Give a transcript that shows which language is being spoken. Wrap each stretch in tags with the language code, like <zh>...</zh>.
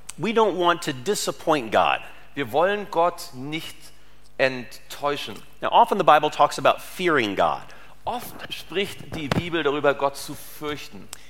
<en>We don't want to disappoint God.</en> <de>Wir wollen Gott nicht enttäuschen.</de> <en>Now often the Bible talks about fearing God.</en> <de>Oft spricht die Bibel darüber, Gott zu fürchten.</de>